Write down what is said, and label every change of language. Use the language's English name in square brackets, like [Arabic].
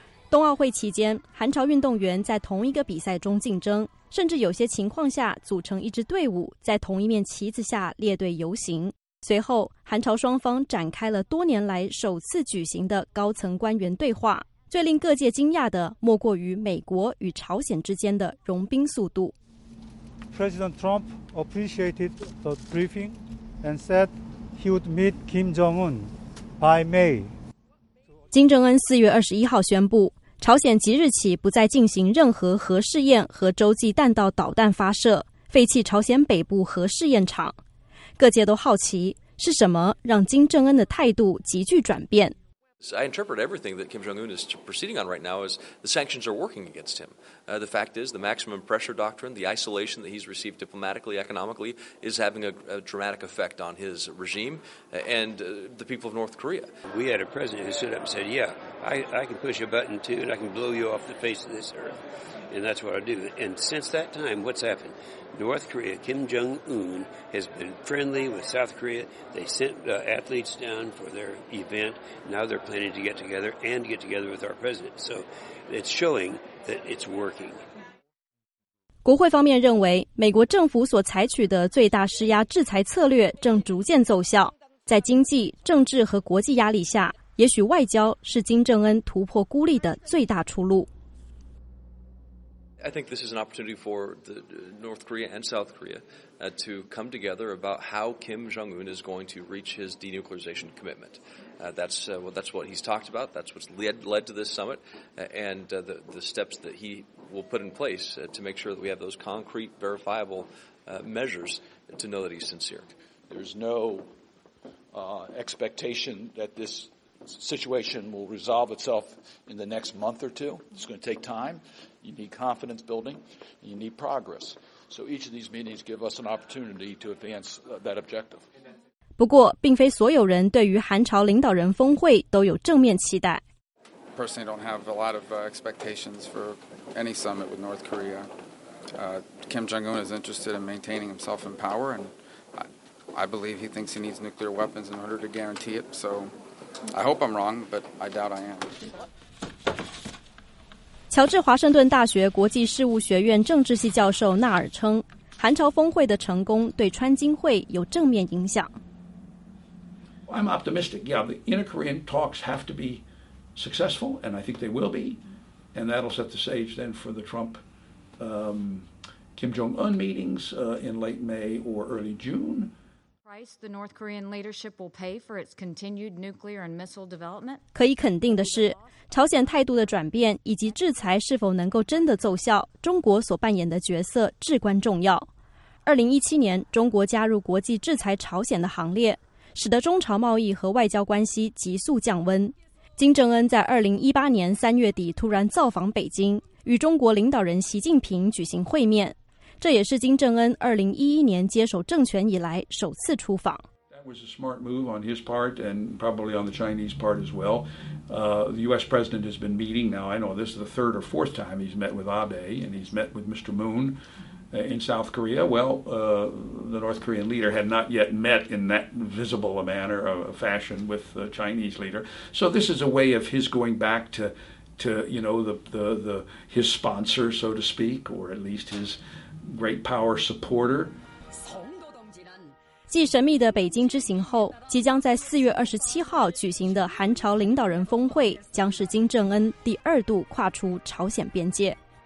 [Chinese] 冬奥会期间，韩朝运动员在同一个比赛中竞争，甚至有些情况下组成一支队伍，在同一面旗子下列队游行。随后，韩朝双方展开了多年来首次举行的高层官员对话。最令各界惊讶的，莫过于美国与朝鲜之间的融冰速度。 [English] President Trump appreciated the briefing and said he would meet Kim Jong-un by May. [Chinese] 金正恩4月21号室布，朝鲜即日起不再进行任何核试验和洲际弹道导弹发射，废弃朝鲜北部核试验场。各界都好奇，是什么让金正恩的态度急剧转变？ [English] I interpret everything that Kim Jong-un is proceeding on right now as the sanctions are working against him. The fact is, the maximum pressure doctrine, the isolation that he's received diplomatically, economically, is having a dramatic effect on his regime and the people of North Korea. We had a president who stood up and said, yeah, I can push a button too and I can blow you off the face of this earth. And that's what I do. And since that time, what's happened? North Korea, Kim Jong-un, has been friendly with South Korea. They sent athletes down for their event. Now they're planning to get together and get together with our president. So it's showing that it's working. [Chinese] 国会方面认为，美国政府所采取的最大施压制裁策略正逐渐奏效。在经济、政治和国际压力下，也许外交是金正恩突破孤立的最大出路。 [English] I think this is an opportunity for the North Korea and South Korea to come together about how Kim Jong-un is going to reach his denuclearization commitment. That's what he's talked about. That's what's led to this summit. And the steps that he we'll put in place to make sure that we have those concrete, verifiable measures to know that he's sincere. There's no expectation that this situation will resolve itself in the next month or two. It's going to take time. You need confidence building. And you need progress. So each of these meetings give us an opportunity to advance that objective. [Chinese] 不过，并非所有人对于韩朝领导人峰会都有正面期待。 [English] Personally, don't have a lot of expectations for any summit with North Korea. Kim Jong-un is interested in maintaining himself in power, and I believe he thinks he needs nuclear weapons in order to guarantee it. So I hope I'm wrong, but I doubt I am. [Chinese] 乔治华盛顿大学国际事务学院政治系教授纳尔称，韩朝峰会的成功对川金会有正面影响。 [English] I'm optimistic. Yeah, the inter-Korean talks have to be successful, and I think they will be, and that'll set the stage then for the Trump, Kim Jong-un meetings in late May or early June. Price the North Korean leadership will pay for its continued nuclear and missile development. [Chinese] 可以肯定的是，朝鲜态度的转变以及制裁是否能够真的奏效，中国所扮演的角色至关重要。 2017年，中国加入国际制裁朝鲜的行列。使得中朝贸易和外交关系急速降温。金正恩在2018年3月底突然造访北京，与中国领导人习近平举行会面，这也是金正恩2011年接手政权以来首次出访。 [English] That was a smart move on his part and probably on the Chinese part as well. The U.S. president has been meeting now. I know this is the third or fourth time he's met with Abe and he's met with Mr. Moon. In South Korea, well, the North Korean leader had not yet met in that visible a manner, a fashion with the Chinese leader. So this is a way of his going back to you know, the his sponsor, so to speak, or at least his great power supporter. [Chinese] 继神秘的北京之行后，即将在4月27号举行的韩朝领导人峰会将是金正恩第二度跨出朝鲜边界。